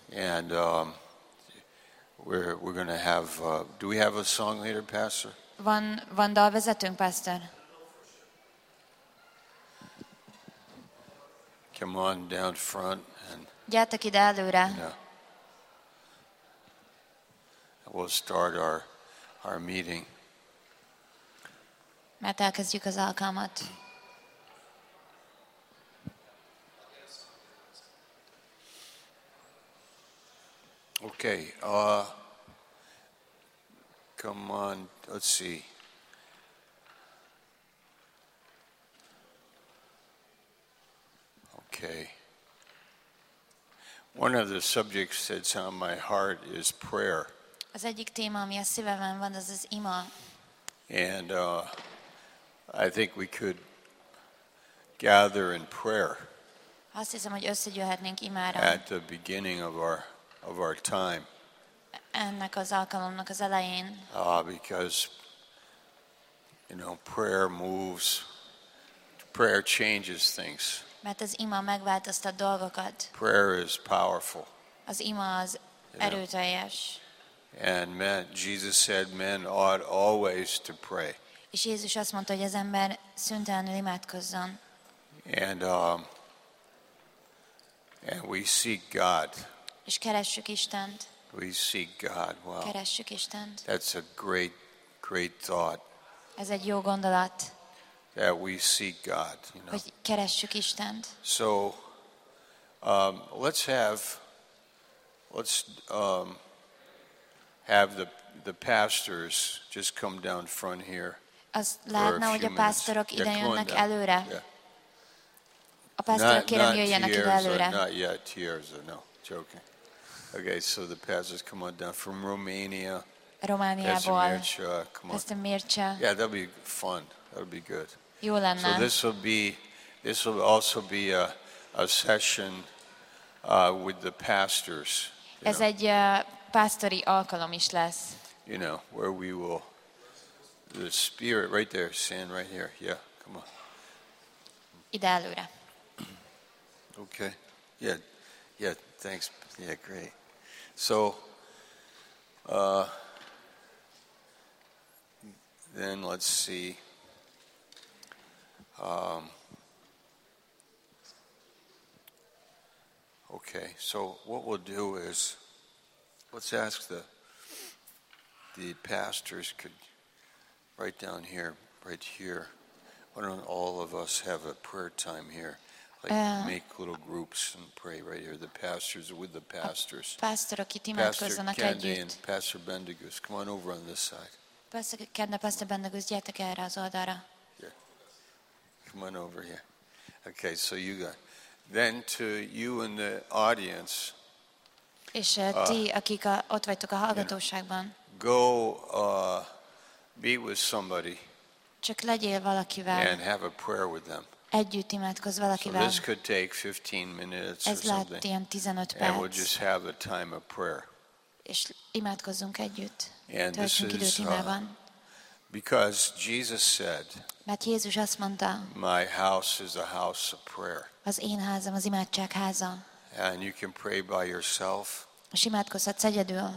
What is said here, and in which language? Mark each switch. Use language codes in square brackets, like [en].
[en] And we're going to have do we have a song leader, Pastor? [hu] Van dalvezetőnk, Pastor? [en] Come on down front and [hu] gyertek ide előre. [en] Yeah. We'll start our meeting. [hu] Mert elkezdjük az alkalmat. [en] Okay. Come on. Let's see. Okay. One of the subjects that's on my heart is prayer. [hu] Az egyik téma, ami a szívemben van, az az ima. [en] And I think we could gather in prayer. [hu] Azt hiszem, hogy összegyűhetnénk imára. [en] At the beginning of our time. [hu] Ennek az alkalomnak az elején. [en] Because you know, prayer moves, prayer changes things. [hu] Mert az ima megváltoztat dolgokat. [en] Prayer is powerful. [hu] Az ima az erőteljes. [en] And men, Jesus said, men ought always to pray. [hu] És Jézus azt mondta, hogy az ember szüntelenül imádkozzon. [en] And we seek God. [hu] És keressük Istent. [en] We seek God. Wow. [hu] Keressük Istent. [en] That's a great, great thought. [hu] Ez egy jó gondolat. [en] That we seek God, you know. [hu] Hogy keressük Istent. [en] So, let's have the pastors just come down front here. [hu] Az látna, hogy a pásztorok ide jönnek előre. A pásztorok kérem jöjjenek ide előre. [en] Not yet, Tiarza, no, joking. Okay, so the pastors come on down from Romania. [hu] Romániából. [en] Pastor Mircea. Yeah, that'll be fun. That'll be good. [hu] Jó lenne. [en] So this will also be a session with the pastors. [hu] Ez egy pásztori alkalom is lesz. [en] You know, where we will the spirit right there, stand right here. Yeah, come on. [hu] Ide előre. [en] Okay. Yeah, thanks. Yeah, great. So then let's see. Okay, so what we'll do is let's ask the pastors could right down here, right here. Why don't all of us have a prayer time here? Like make little groups and pray right here. The pastors with the pastors. [hu] Pastor, aki imádkozzanak együtt. [en] Pastor Kende and Pastor Bendegúz. Come on over on this side. [hu] Pastor Kende, Pastor Bendegúz, gyertek erre az oldalra. [en] Yeah. Come on over here. Okay, so you got. Then to you and the audience. [hu] És ti, akik ott vagytok a hallgatóságban. [en] Go be with somebody. [hu] Csak legyél valakivel. [en] And have a prayer with them. [hu] Együtt imádkozz valakivel. [en] So this could take 15 minutes [hu] ez [en] or something. [hu] Ilyen 15 [en] perc. And we'll just have a time of prayer. [hu] És imádkozzunk együtt. [en] And töltsünk this is imában. Because Jesus said, [hu] mert Jézus azt mondta, [en] my house is a house of prayer. [hu] Az én házam az imádság háza. [en] And you can pray by yourself. [hu] És imádkozhatsz egyedül.